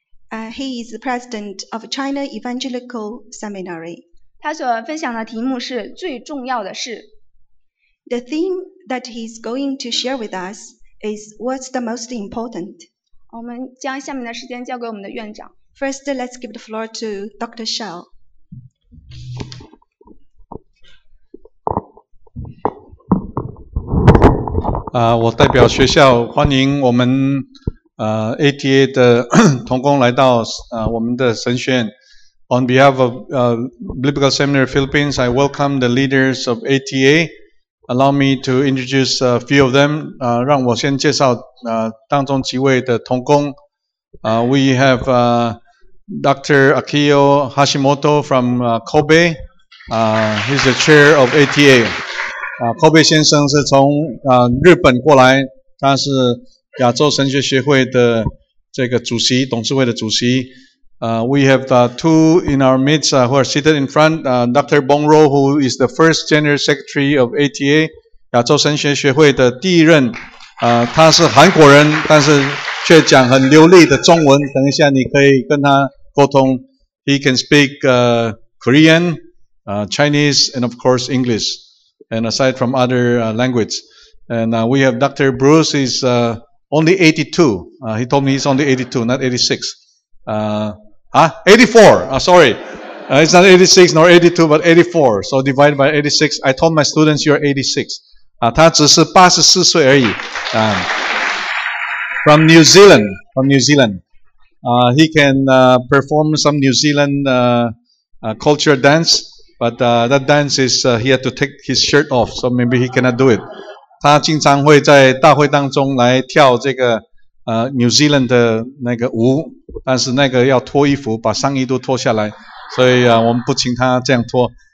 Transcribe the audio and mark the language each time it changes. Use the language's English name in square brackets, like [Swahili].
[English] He is the president of China Evangelical Seminary. [Chinese] 他所分享的题目是最重要的事。 [English] The theme that he's going to share with us is what's the most important. [Chinese] 我们将下面的时间交给我们的院长。 [English] First, let's give the floor to Dr. Chow. [Chinese] 我代表学校欢迎我们ATA 的同工来到我们的神学院。 [English] On behalf of Biblical Seminary Philippines, I welcome the leaders of ATA. Allow me to introduce a few of them. [Chinese] 让我先介绍当中几位的同工。 [English] We have Dr. Akio Hashimoto from Kobe. He's the chair of ATA. [Chinese] Kobe 先生是从日本过来，他是亚洲神学学会的这个主席，董事会的主席。 [English] We have two in our midst who are seated in front. Dr. Bong Ro, who is the first general secretary of ATA, [Chinese] 亚洲神学学会的第一任。他是韩国人，但是却讲很流利的中文。等一下你可以跟他沟通。 [English] He can speak Korean, Chinese, and of course English. And aside from other language. And we have Dr. Bruce, he's only 82. He told me he's only 82, not 86. 84! Sorry! It's not 86 nor 82, but 84. So divided by 86. I told my students you're 86. [Chinese] 他只是84岁而已。 [English] From New Zealand. He can perform some New Zealand culture dance. But that dance is he had to take his shirt off, so maybe he cannot do it. [Chinese] 他经常会在大会当中来跳这个New Zealand 的那个舞，但是那个要脱衣服，把上衣都脱下来，所以我们不请他这样脱。